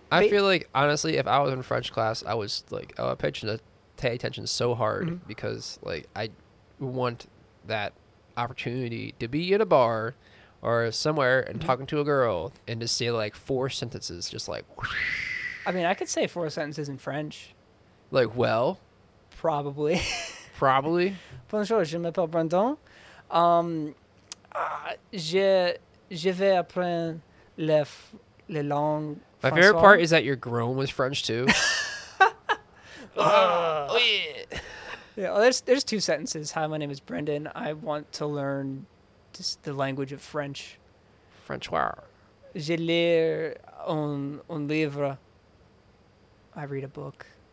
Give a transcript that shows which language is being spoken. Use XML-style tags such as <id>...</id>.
<en>I feel like, honestly, if I was in French class, I was like, oh, I pay attention so hard, mm-hmm. because like I want that opportunity to be in a bar or somewhere and mm-hmm. talking to a girl and to say like four sentences, just like whoosh. I mean, I could say four sentences in French. Like, well, probably. Probably.</en> <fr>Bonjour, je m'appelle Brandon. Je vais apprendre le langue.</fr> <en>My Francois. Favorite part is that your groan was French too. Oh, yeah. Yeah, well, there's two sentences. Hi, my name is Brendan. I want to learn just the language of French. Frenchoir.</en> <fr>Je lis un livre.</fr> <en>I read a book.</en>